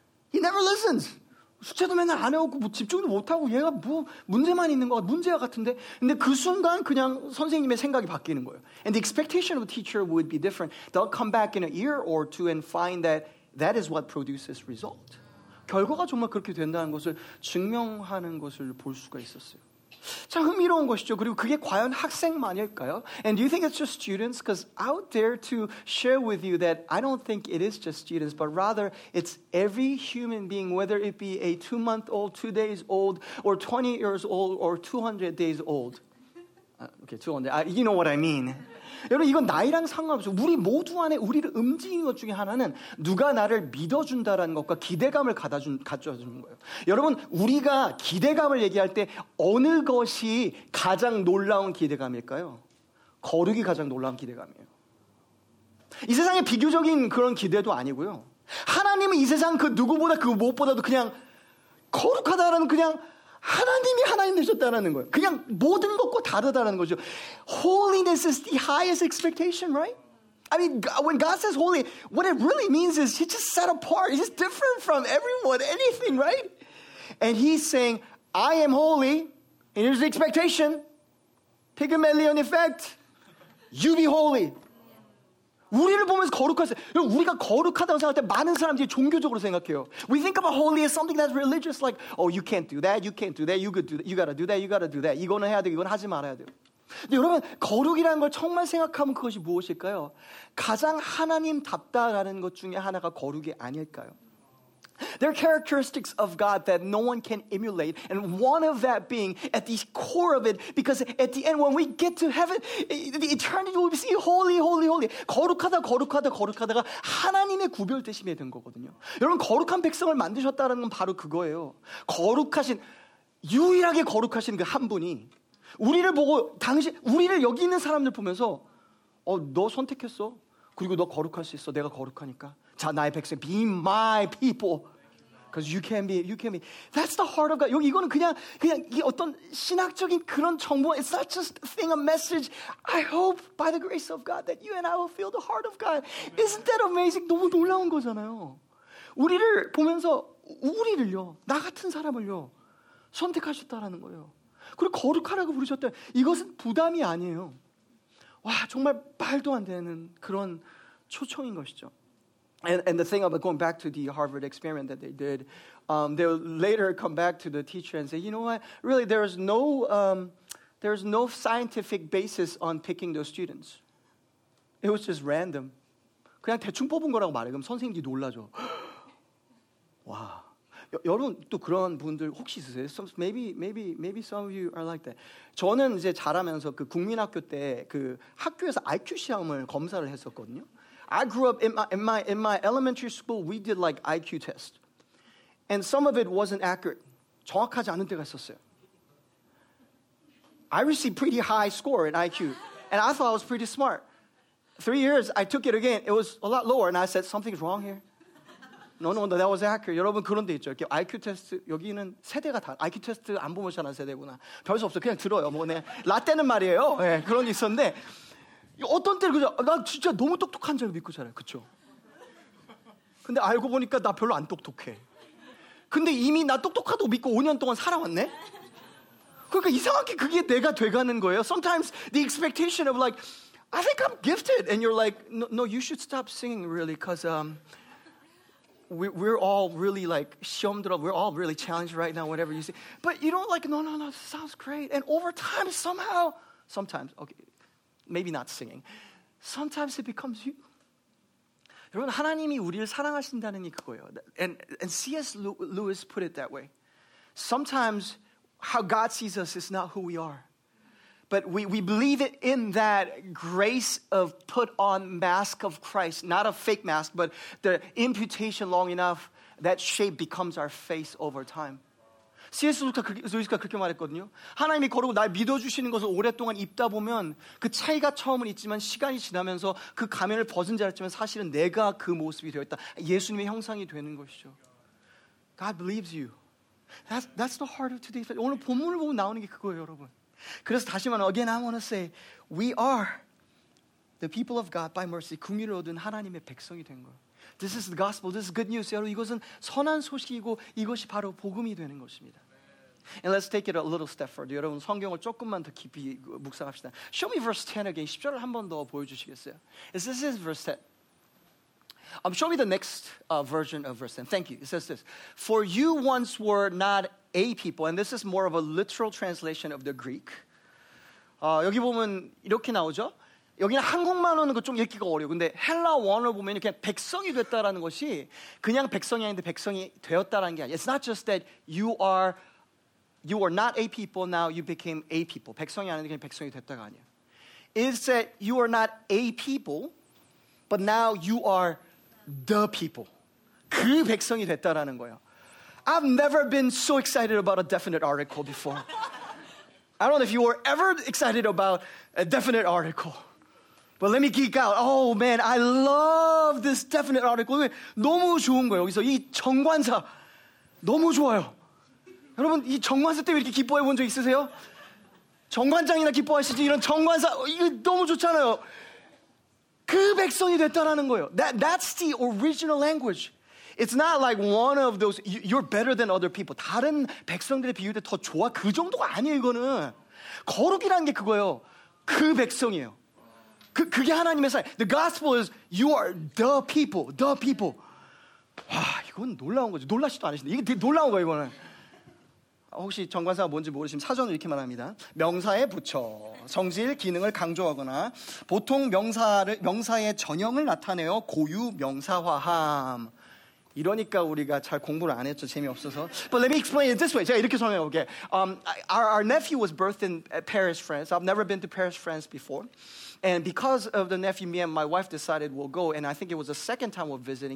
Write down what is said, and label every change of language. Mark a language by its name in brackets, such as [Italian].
[English] He never listens. [Korean] 숙제도 맨날 안 해오고 뭐 집중도 못하고 얘가 뭐 문제만 있는 것 같아. 문제야 같은데. 근데 그 순간 그냥 선생님의 생각이 바뀌는 거예요. [English] And the expectation of the teacher would be different. They'll come back in a year or two and find that that is what produces result. [Korean] 결과가 정말 그렇게 된다는 것을 증명하는 것을 볼 수가 있었어요. 참 흥미로운 것이죠. 그리고 그게 과연 학생만일까요? [English] And do you think it's just students? Because out there to share with you that I don't think it is just students, but rather it's every human being, whether it be a 2-month-old, 2 days old, or 20 years old, or 200 days old. Okay, 200. You know what I mean. [Korean] 여러분 이건 나이랑 상관없어. 우리 모두 안에 우리를 움직이는 것 중에 하나는 누가 나를 믿어준다라는 것과 기대감을 가져주는 거예요. 여러분 우리가 기대감을 얘기할 때 어느 것이 가장 놀라운 기대감일까요? 거룩이 가장 놀라운 기대감이에요. 이 세상에 비교적인 그런 기대도 아니고요. 하나님은 이 세상 그 누구보다 그 무엇보다도 그냥 거룩하다라는 그냥 하나님이 하나님 되셨다라는 거예요. 그냥 모든 것과 다르다라는 거죠. [English] Holiness is the highest expectation, right? I mean, when God says holy, what it really means is he's just set apart. He's just different from everyone, anything, right? And he's saying, I am holy. And here's the expectation. Pygmalion effect. You be holy. [Korean] 우리를 보면서 거룩하세요. 우리가 거룩하다고 생각할 때 많은 사람들이 종교적으로 생각해요. [English] We think about holy as something that's religious, like, oh, you can't do that, you can't do that, you could do that, you gotta do that, you gotta do that. [Korean] 이거는 해야 되고, 이건 하지 말아야 돼요. 근데 여러분, 거룩이라는 걸 정말 생각하면 그것이 무엇일까요? 가장 하나님답다라는 것 중에 하나가 거룩이 아닐까요? [English] There are characteristics of God that no one can emulate, and one of that being at the core of it, because at the end, when we get to heaven, the eternity will be holy, holy, holy. [Korean] 거룩하다, 거룩하다, 거룩하다가 하나님의 구별되심이 된 거거든요. 여러분, 거룩한 백성을 만드셨다는 건 바로 그거예요. 거룩하신, 유일하게 거룩하신 그 한 분이 우리를 보고, 당신, 우리를 여기 있는 사람들 보면서 너 선택했어. 그리고 너 거룩할 수 있어. 내가 거룩하니까. 자, 나의 백성, [English] be my people. Because you can be, you can be. That's the heart of God. [Korean] 여기 이거는 그냥 이게 어떤 신학적인 그런 정보. [English] It's not just a thing, a message. I hope by the grace of God that you and I will feel the heart of God. Isn't that amazing? [Korean] 너무 놀라운 거잖아요. 우리를 보면서 우리를요, 나 같은 사람을요, 선택하셨다라는 거예요. 그리고 거룩하라고 부르셨다. 이것은 부담이 아니에요. 와, 정말 말도 안 되는 그런 초청인 것이죠. [English] And the thing about going back to the Harvard experiment that they did, they'll later come back to the teacher and say, you know what, really there's no scientific basis on picking those students. It was just random. [Korean] 그냥 대충 뽑은 거라고 말해. 그럼 선생님이 놀라죠. 와. 여러분 또 그런 분들 혹시 있으세요? [English] Maybe some of you are like that. [Korean] 저는 이제 자라면서 그 국민학교 때 그 학교에서 IQ 시험을 검사를 했었거든요. [English] I grew up in my elementary school. We did like IQ test, and some of it wasn't accurate. [Korean] 정확하지 않은 때가 있었어요. [English] I received pretty high score in IQ, and I thought I was pretty smart. 3 years, I took it again. It was a lot lower, and I said something's wrong here. No, that was accurate. [Korean] 여러분 그런 데 있죠. 이렇게 IQ 테스트 여기는 세대가 다 IQ 테스트 안 보면서 하는 세대구나. 별 수 없어. 그냥 들어요. 뭐 내 라떼는 말이에요. 예, 네, 그런 게 있었는데. 어떤 때는 그죠? 나 진짜 너무 똑똑한 줄 믿고 자라요. 그쵸? 근데 알고 보니까 나 별로 안 똑똑해. 근데 이미 나 똑똑하다고 믿고 5년 동안 살아왔네? 그러니까 이상하게 그게 내가 돼가는 거예요. [English] Sometimes the expectation of like, I think I'm gifted. And you're like, no, you should stop singing really because we're all really like, we're all really challenged right now, whatever you say. But you don't like, no, this sounds great. And over time, sometimes it becomes you. [Korean] 여러분, 하나님이 우리를 사랑하신다는 게 그거예요. [English] And C.S. Lewis put it that way. Sometimes how God sees us is not who we are. But we believe it in that grace of put on mask of Christ, not a fake mask, but the imputation long enough, that shape becomes our face over time. [Korean] C.S. Lewis가 그렇게 말했거든요. 하나님이 거룩을 날 믿어주시는 것을 오랫동안 입다 보면 그 차이가 처음은 있지만 시간이 지나면서 그 가면을 벗은 자였지만 사실은 내가 그 모습이 되었다. 예수님의 형상이 되는 것이죠. [English] God believes you. That's the heart of today's message. [Korean] 오늘 본문을 보고 나오는 게 그거예요, 여러분. 그래서 다시 말하면, [English] again, I want to say, we are the people of God by mercy, [Korean] 긍휼을 얻은 하나님의 백성이 된 거예요. [English] This is the gospel. This is good news. [Korean] 여러분, 이것은 선한 소식이고 이것이 바로 복음이 되는 것입니다. [English] And let's take it a little step further. [Korean] 여러분, 성경을 조금만 더 깊이 묵상합시다. [English] Show me verse 10 again. [Korean] 10절을 한 번 더 보여주시겠어요? [English] This is verse 10. Show me the next version of verse 10. Thank you. It says this. For you once were not a people. And this is more of a literal translation of the Greek. [Korean] 여기 보면 이렇게 나오죠? 여기는 한국말로는 좀 읽기가 어려워. 근데 헬라 원어 보면 그냥 백성이 됐다라는 것이 그냥 백성이 아닌데 백성이 되었다라는 게 아니야. [English] It's not just that you are not a people, now you became a people. [Korean] 백성이 아닌데 그냥 백성이 됐다가 아니야. [English] It's that you are not a people, but now you are the people. [Korean] 그 백성이 됐다라는 거예요. [English] I've never been so excited about a definite article before. I don't know if you were ever excited about a definite article. But let me geek out. Oh man, I love this definite article. [Korean] 너무 좋은 거예요. 여기서 이 정관사 너무 좋아요. 여러분, 이 정관사 때문에 이렇게 기뻐해 본 적 있으세요? 정관장이나 기뻐하시지 이런 정관사 이거 너무 좋잖아요. 그 백성이 됐다라는 거예요. [English] That's the original language. It's not like one of those you're better than other people. [Korean] 다른 백성들의 비유 때 더 좋아 그 정도가 아니에요, 이거는. 거룩이라는 게 그거예요. 그 백성이에요. 그게 하나님의 사랑. [English] The gospel is you are the people, the people. [Korean] 와, 이건 놀라운 거죠. 놀라시도 않으신데. 이게 되게 놀라운 거예요, 이거는. 혹시 정관사가 뭔지 모르시면 사전을 이렇게 말합니다. 명사에 붙여 성질, 기능을 강조하거나 보통 명사의 전형을 나타내어 고유 명사화함. 이러니까 우리가 잘 공부를 안 했죠. 재미없어서. [English] But let me explain it this way. [Korean] 제가 이렇게 설명해 볼게. [English] Our nephew was birthed in Paris, France. I've never been to Paris, France before. And because of the nephew, me and my wife decided we'll go. And I think it was the second time we're visiting.